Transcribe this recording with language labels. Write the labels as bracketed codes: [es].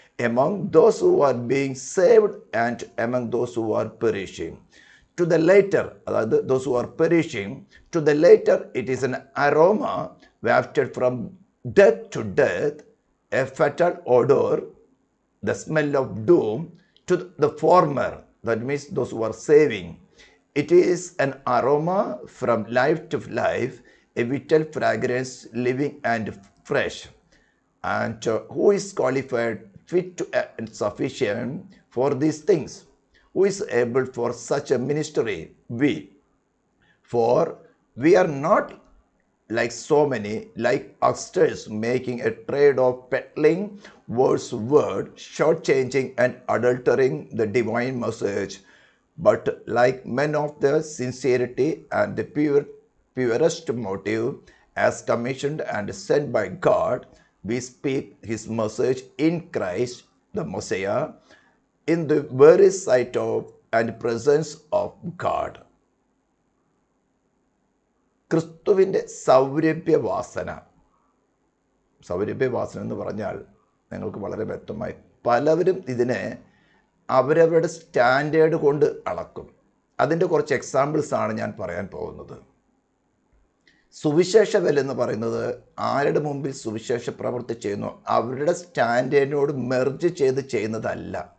[en] Among those who are being saved and among those who are perishing to the latter, അതായത് those who are perishing to the latter it is an aroma wafted from death to death a fatal odour the smell of doom to the former, that means those who are saving. It is an aroma from life to life, a vital fragrance, living and fresh. And who is qualified, fit to, and sufficient for these things? Who is able for such a ministry? We. For we are not like so many, like hucksters making a trade of peddling words, word, shortchanging and adultering the divine message, but like men of the sincerity and the purest motive, as commissioned and sent by God, we speak his message in Christ, the Messiah, in the very sight of and presence of God. [ml] ക്രിസ്തുവിൻ്റെ സൗരഭ്യവാസന, സൗരഭ്യവാസന എന്ന് പറഞ്ഞാൽ നിങ്ങൾക്ക് വളരെ വ്യക്തമായി. പലരും ഇതിനെ അവരവരുടെ standard കൊണ്ട് അളക്കും. അതിൻ്റെ കുറച്ച് എക്സാമ്പിൾസാണ് ഞാൻ പറയാൻ പോകുന്നത്. സുവിശേഷ വിലെന്ന് പറയുന്നത് ആരുടെ മുമ്പിൽ സുവിശേഷ പ്രവൃത്തി ചെയ്യുന്നു, അവരുടെ സ്റ്റാൻഡേർഡിനോട് മെർജ് ചെയ്ത് ചെയ്യുന്നതല്ല.